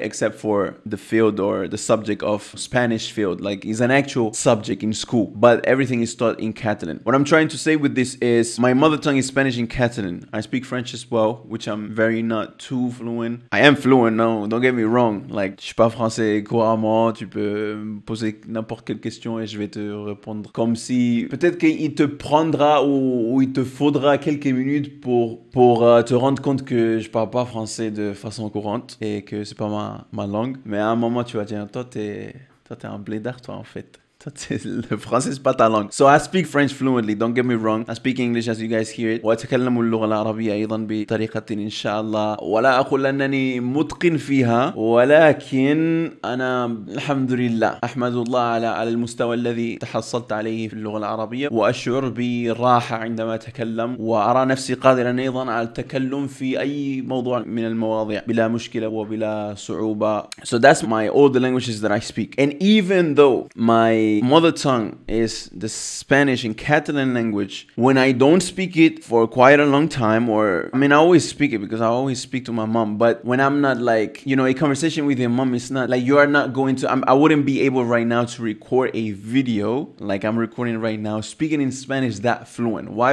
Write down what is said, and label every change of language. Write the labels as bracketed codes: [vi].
[en] Except for the field or the subject of Spanish field, like it's an actual subject in school, but everything is taught in Catalan. What I'm trying to say with this is my mother tongue is Spanish in Catalan. I speak French as well, which I'm very not too fluent. I am fluent, no, don't get me wrong. [fr] Like, je suis pas français couramment, tu peux me poser n'importe quelle question et je vais te répondre. Comme si, peut-être qu'il te prendra ou il te faudra quelques minutes pour te rendre compte que je parle pas français de façon courante et que c'est pas ma langue. Mais à un moment, tu vas dire, toi t'es un blédard, toi, en fait. Le français c'est pas ta langue. [en] So I speak French fluently, don't get me wrong. I speak English as you guys hear it. [ar] واتكلم اللغة العربية أيضا بطريقة إن شاء الله. ولا أقول أنني متقن فيها. ولكن أنا الحمد لله أحمد الله على المستوى الذي تحصلت عليه في اللغة العربية. وأشعر براحة عندما أتكلم. وأرى نفسي قادرا أيضا على التكلم في أي موضوع من المواضيع بلا مشكلة وبلا صعوبة. [en] So that's my all the languages that I speak. And even though my mother tongue is the Spanish and Catalan language, when I don't speak it for quite a long time, or I mean, I always speak it because I always speak to my mom, but when I'm not, like, you know, a conversation with your mom, it's not like you are not going to, I wouldn't be able right now to record a video like I'm recording right now speaking in Spanish that fluent. Why?